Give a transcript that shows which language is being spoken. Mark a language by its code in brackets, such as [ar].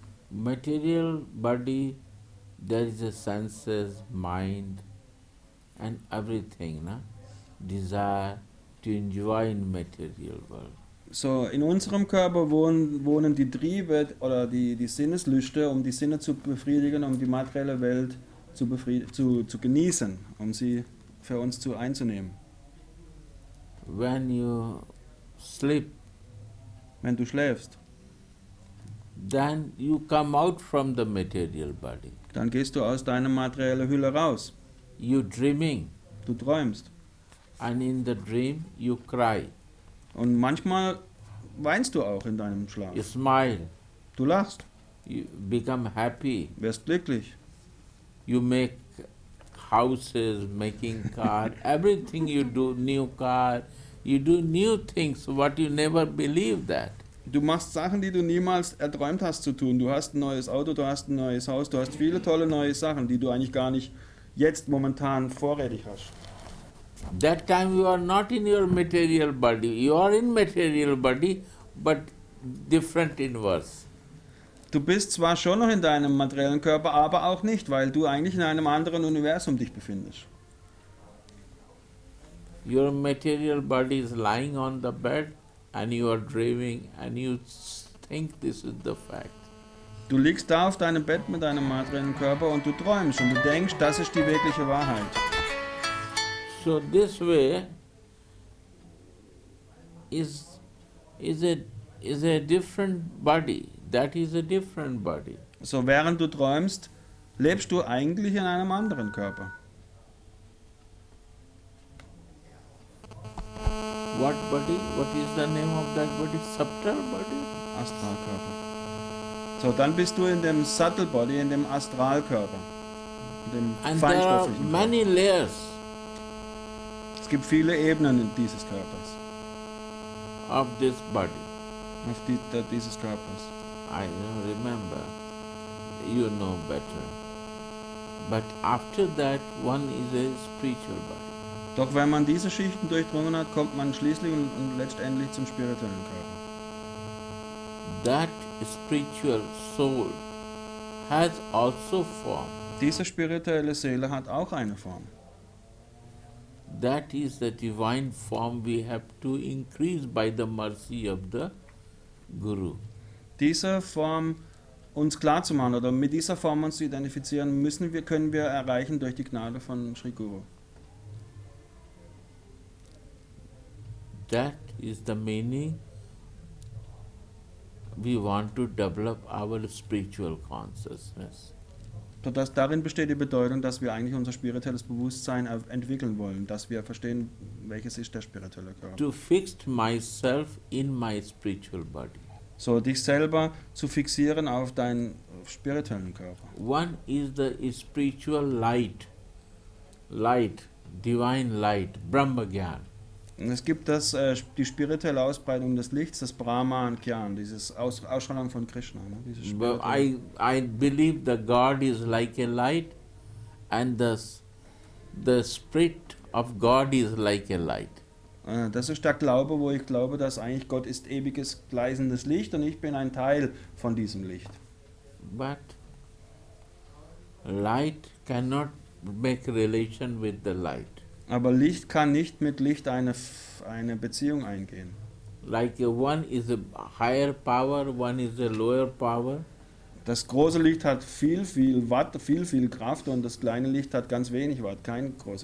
[en] Material body, there is the senses, mind and everything, na? Desire to enjoy in material world. [de] So, in unserem Körper wohnen die Triebe oder die Sinneslüste, um die Sinne zu befriedigen, um die materielle Welt zu genießen, um sie für uns zu einzunehmen. [en] When you sleep, [de] wenn du schläfst, [en] then you come out from the material body. [de] Dann gehst du aus deiner materiellen Hülle raus. [en] You dreaming. [de] Du träumst. [en] And in the dream you cry. [de] Und manchmal weinst du auch in deinem Schlaf. [en] You smile. [de] Du lachst. [en] You become happy. [de] Wirst glücklich. [en] You make houses, making car, everything you do, new car, you do new things, what you never believe that. [de] Du machst Sachen, die du niemals erträumt hast zu tun. Du hast ein neues Auto, du hast ein neues Haus, du hast viele tolle neue Sachen, die du eigentlich gar nicht jetzt momentan vorrätig hast. [en] That time you are not in your material body. You are in material body, but different inverse. [de] Du bist zwar schon noch in deinem materiellen Körper, aber auch nicht, weil du eigentlich in einem anderen Universum dich befindest. [en] Your material body is lying on the bed and you are dreaming and you think this is the fact. [de] Du liegst da auf deinem Bett mit deinem materiellen Körper und du träumst und du denkst, das ist die wirkliche Wahrheit. [en] So this way is a different body. That is a different body. [de] So während du träumst, lebst du eigentlich in einem anderen Körper. [en] What body? What is the name of that body? Subtle body? [de] Astralkörper. So dann bist du in dem [en] subtle body, [de] in dem Astralkörper. In dem feinstofflichen Körper. [en] And there are many layers. [de] Es gibt viele Ebenen dieses Körpers. [en] Of this body. [de] Auf die, dieses Körpers. [en] I remember, you know better. But after that, one is a spiritual body. [de] Doch wenn man diese Schichten durchdrungen hat, kommt man schließlich und letztendlich zum spirituellen Körper. [en] That spiritual soul has also form. [de] Diese spirituelle Seele hat auch eine Form. [en] That is the divine form we have to increase by the mercy of the Guru. [de] Diese Form uns klar zu machen oder mit dieser Form uns zu identifizieren, können wir erreichen durch die Gnade von Sri Guru. [en] That is the meaning. We want to develop our spiritual consciousness. [de] So dass darin besteht die Bedeutung, dass wir eigentlich unser spirituelles Bewusstsein entwickeln wollen, dass wir verstehen, welches ist der spirituelle Körper. [en] To fix myself in my spiritual body. [de] So dich selber zu fixieren auf deinen spirituellen Körper. [en] One is the spiritual light, divine light, Brahma Gyan. [de] Es gibt das die spirituelle Ausbreitung des Lichts, das Brahman Gyan, dieses Ausstrahlung von Krishna. Ne? [en] I believe the God is like a light, and the spirit of God is like a light. [de] Das ist der Glaube, wo ich glaube, dass eigentlich Gott ist ewiges gleißendes Licht und ich bin ein Teil von diesem Licht. [en] But light cannot make relation with the light. [de] Aber Licht kann nicht mit Licht eine Beziehung eingehen. [en] Like one is a higher power, one is a lower power. [de] Das große Licht hat viel, viel Watt, viel, viel Kraft und das kleine Licht hat ganz wenig Watt, keine große